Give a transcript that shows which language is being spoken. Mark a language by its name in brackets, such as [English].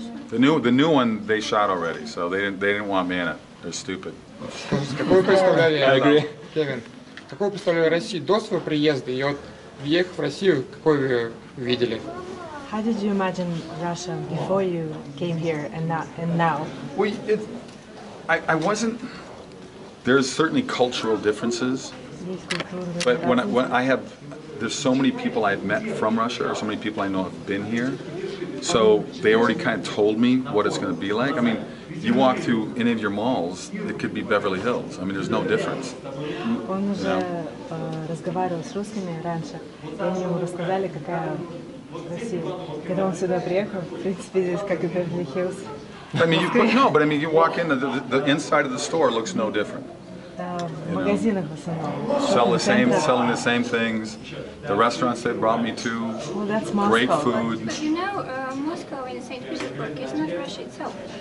[English] The new one they shot already, so they didn't want me in it. They're stupid. [Russian] Какое вы представляли Россию до своего приезда и вот въехав в Россию, какой вы видели? [English] How did you imagine Russia before you came here and now? Well, I wasn't. There's certainly cultural differences, but there's so many people I've met from Russia, or so many people I know have been here, so they already kind of told me what it's going to be like. I mean, you walk through any of your malls, it could be Beverly Hills. I mean, there's no difference. [Russian] Он уже разговаривал с русскими раньше, и они ему рассказали, какая Россия. Когда он сюда приехал, в принципе, здесь как Beverly Hills. [English] I mean, you walk in, the inside of the store looks no different. Selling the same things. The restaurants they brought me to, well, that's great Moscow, food. But you know, Moscow Moscow and St. Petersburg is not Russia itself.